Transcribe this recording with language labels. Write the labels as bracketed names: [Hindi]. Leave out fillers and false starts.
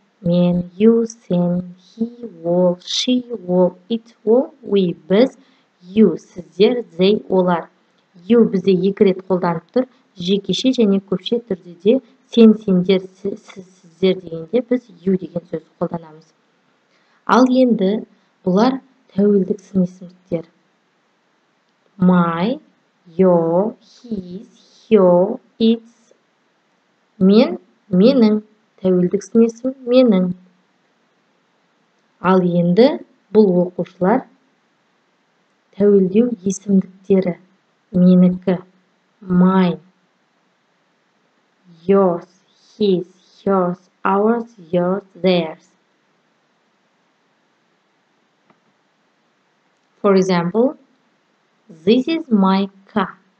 [Kazakh] Мен, you, сен, he, ол, she, ол, it, ол, we, біз, you, сіздер, they, олар. You бізде екі рет қолданып тұр, жекеше және көпше түрде де сен, сендер, сіз, сіздер дегенде біз you деген сөз қолданамыз. Ал енді бұлар тәуелдік сын есімдіктер. [English] My, your, his, her, its, [Kazakh] мен, менің. Тәуелдік сын есім менің. Ал енді бұл оқушылар тәуелдеу есімдіктері менікі. [English] Mine, yours, his, hers, ours, yours, theirs. For example, this is my car.